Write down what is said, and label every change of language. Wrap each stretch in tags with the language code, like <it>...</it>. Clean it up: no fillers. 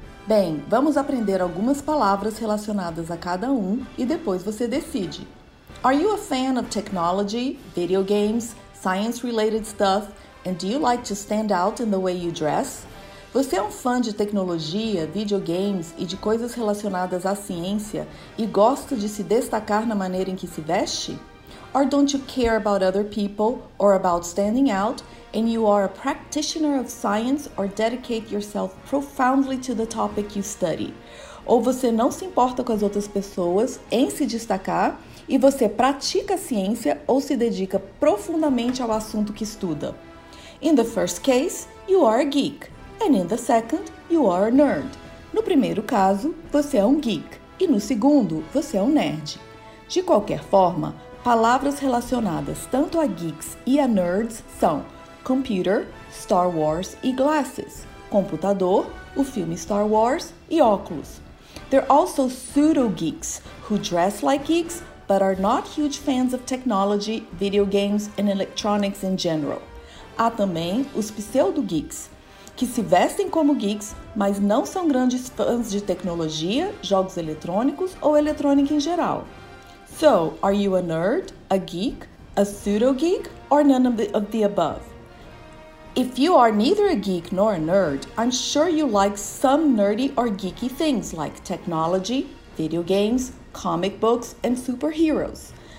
<pt>Bem, vamos aprender algumas palavras relacionadas a cada um e depois você decide.</pt> <en>Are you a fan of technology, video games, science-related stuff, and do you like to stand out in the way you dress?</en> <pt>Você é um fã de tecnologia, videogames e de coisas relacionadas à ciência e gosta de se destacar na maneira em que se veste?</pt> <en>Or don't you care about other people or about standing out and you are a practitioner of science or dedicate yourself profoundly to the topic you study?</en> <pt>Ou você não se importa com as outras pessoas em se destacar e você pratica a ciência ou se dedica profundamente ao assunto que estuda?</pt> <en>In the first case, you are a geek. And in the second, you are a nerd.</en> <pt>No primeiro caso, você é um geek. E no segundo, você é um nerd. De qualquer forma, palavras relacionadas tanto a geeks e a nerds são computer, Star Wars e glasses, computador, o filme Star Wars e óculos.</pt> <en>They're also pseudo-geeks, who dress like geeks, but are not huge fans of technology, video games and electronics in general.</en> <pt>Há também os pseudo-geeks, que se vestem como geeks, mas não são grandes fãs de tecnologia, jogos eletrônicos ou eletrônica em geral.</pt> <en>So, are you a nerd, a geek, a pseudo-geek, or none of the above? If you are neither a geek nor a nerd, I'm sure you like some nerdy or geeky things like technology, video games, comic books, and superheroes.</en>